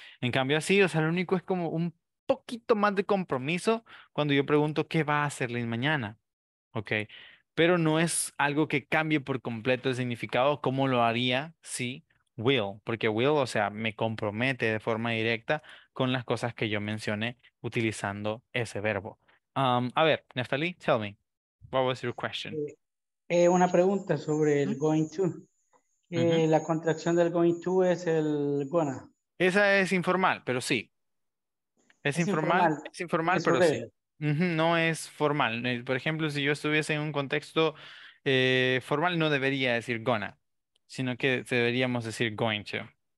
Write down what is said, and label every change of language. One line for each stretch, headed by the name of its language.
Spanish: En cambio, así, o sea, lo único es como un poquito más de compromiso cuando yo pregunto qué va a hacer Lynn mañana, ¿ok? Pero no es algo que cambie por completo el significado como lo haría si will, porque will, o sea, me compromete de forma directa con las cosas que yo mencioné utilizando ese verbo. A ver,
English: Neftali, tell me, what was your question?
Spanish: Una pregunta sobre el going to. La contracción del going to es el gonna. Esa es informal, pero sí. Es informal, pero sí. No es formal. Por ejemplo, si yo estuviese en un contexto formal, no debería decir gonna, sino que deberíamos decir going to.